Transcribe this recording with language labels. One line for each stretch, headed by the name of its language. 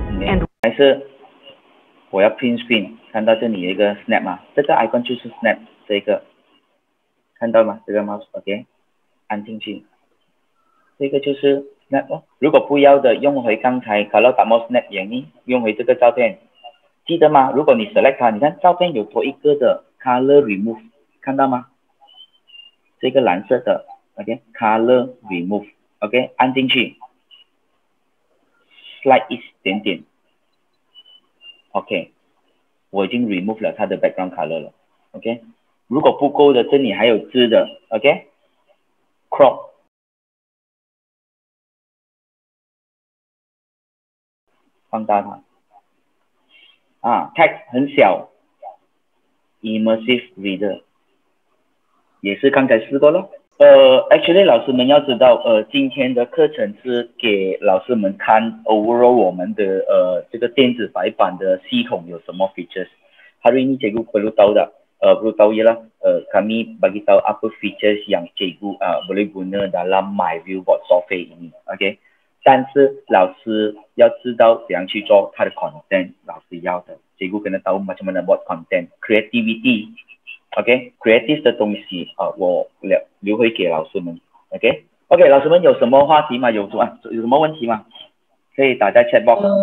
Chinese: And 还是我要 print screen， 看到这里有一个 snap 嘛，这个 icon 就是 snap 这个，看到吗？这个 mouse OK， 按进去，这个就是 snap 哦。如果不要的，用回刚才卡洛达摩 snap 原因，用回这个照片，记得吗？如果你 select 它，你看照片有多一个的 color remove， 看到吗？这个蓝色的。 OK, color remove. OK, 按进去, slide 一点点. OK, 我已经 remove 了它的 background color 了. OK, 如果不够的，这里还有字的. OK, crop. 放大它.啊, text 很小. Immersive reader. 也是刚才试过咯. Actually 老师们要知道，今天的课程是给老师们看 overall 我们的这个电子白板的系统有什么 features.
Malay: Hari ini cikgu perlu tahu tak? Perlu tahu ialah kami bagi tahu apa features yang cikgu boleh guna dalam MyViewBot software ini. Okay?
Chinese: 但是老师要知道怎样去做它的 content， 老师要的，
Malay: cikgu kena tahu macam mana buat content creativity.
Chinese: Okay, creative 的东西啊，我留回给老师们。 OK， 老师们有什么话题吗？有什么问题吗？可以打在 chat box。